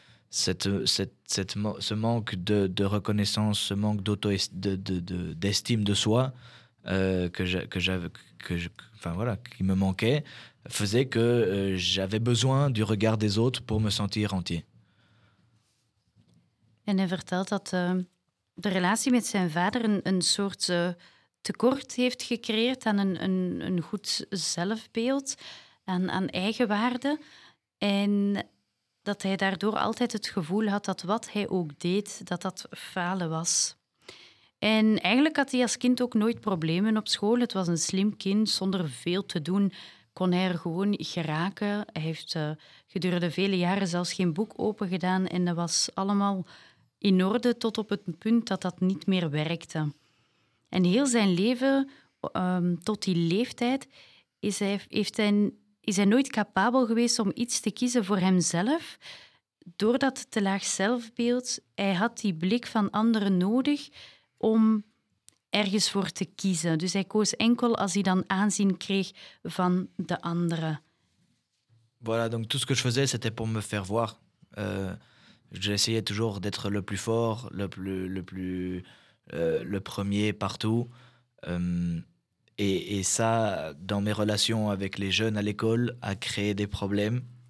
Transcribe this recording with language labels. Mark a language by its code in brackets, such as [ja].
[fr] Ce manque de reconnaissance, ce manque d'estime de soi qui me manquait, faisait que j'avais besoin du regard des autres pour me sentir entier. [nl] En hij vertelt dat de relatie met zijn vader een soort tekort heeft gecreëerd aan een goed zelfbeeld, aan eigenwaarde. En dat hij daardoor altijd het gevoel had dat wat hij ook deed, dat falen was. En eigenlijk had hij als kind ook nooit problemen op school. Het was een slim kind, zonder veel te doen kon hij er gewoon geraken. Hij heeft gedurende vele jaren zelfs geen boek open gedaan en dat was allemaal in orde tot op het punt dat niet meer werkte. En heel zijn leven, tot die leeftijd, is hij nooit capabel geweest om iets te kiezen voor hemzelf. Door dat te laag zelfbeeld, hij had die blik van anderen nodig om ergens voor te kiezen. Dus hij koos enkel als hij dan aanzien kreeg van de anderen. [fr] Voilà, donc tout ce que je faisais, c'était pour me faire voir. J'essayais toujours d'être le plus fort, le premier partout. Et ça, dans mes relations avec les jeunes à l'école, a créé des problèmes.